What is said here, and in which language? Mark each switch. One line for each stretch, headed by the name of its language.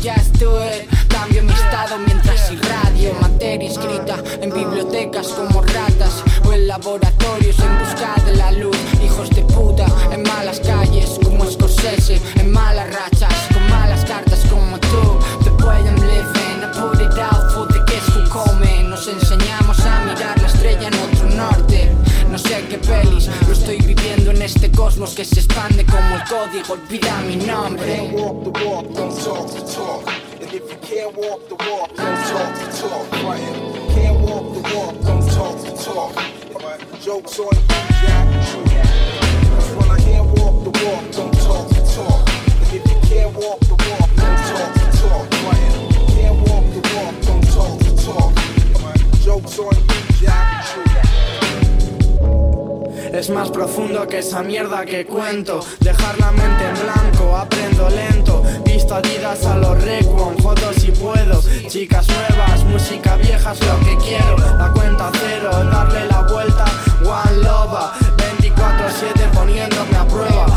Spanish: Ya estoy, cambio mi estado mientras irradio. Materia escrita en bibliotecas como ratas o en laboratorios en busca de la luz. Hijos de puta en malas calles como Scorsese, en malas rachas con malas cartas como tú.
English: The way I'm living, I put it out for the kids who come.
Spanish: Nos enseñamos a mirar la estrella en otro norte. No sé qué pelis, lo estoy viviendo en este cosmos que se expande como el código, olvida mi nombre.
English: Can't walk the walk, don't talk the talk. And if you can't walk the walk, don't talk the talk, right? Can't walk the walk, don't talk the talk. Jokes on you, Jack, true. Cause when I can't walk the walk, don't talk the talk. And if you can't walk the walk, don't talk the talk, right? Can't walk the walk, don't talk the talk. Jokes on you, Jack, true.
Spanish: Es más profundo que esa mierda que cuento. Dejar la mente en blanco, aprendo lento. Visto Adidas a los Requiem, fotos si puedo. Chicas nuevas, música vieja es lo que quiero. La cuenta cero, darle la vuelta. One Love, 24-7 poniéndome a prueba.